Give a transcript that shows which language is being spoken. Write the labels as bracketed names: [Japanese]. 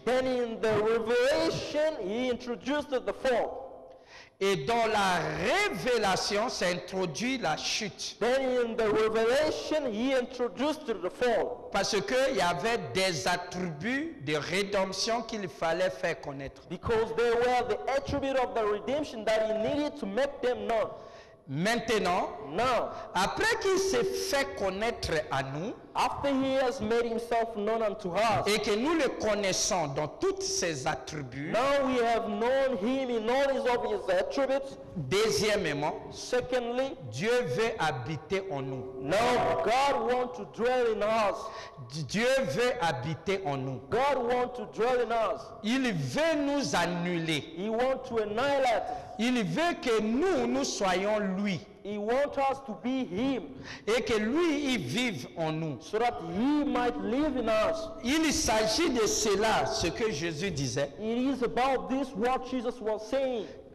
[English] Then in the revelation, he introduced the fall. [French] Et dans la révélation, ça introduit la chute. [English] Then in the revelation, he introduced the fall. [French] Parce qu'il y avait des attributs de rédemption qu'il fallait faire connaître. [English] Because there were the attributes of the redemption that he needed to make them known. [French] Maintenant, [English] now, [French] après qu'il s'est fait connaître à nous, [English] after he has made himself known unto us, [French] et que nous le connaissons dans toutes ses attributs, [English] now we have known him in all his of his attributes, [French] deuxièmement, [English] secondly, [French] Dieu veut habiter en nous. [English] Now God wants to dwell in us. [French] Dieu veut habiter en nous. [English] God wants to dwell in us. [French] Il veut nous annuler. [English] He wants to annihilate. [French] Il veut que nous soyons lui. [English] He wants us to be him. [French] Et que lui, il vive en nous. [English] So that he might live in us. [French] Il s'agit de cela, ce que Jésus disait. [English] It is about this what Jesus was saying.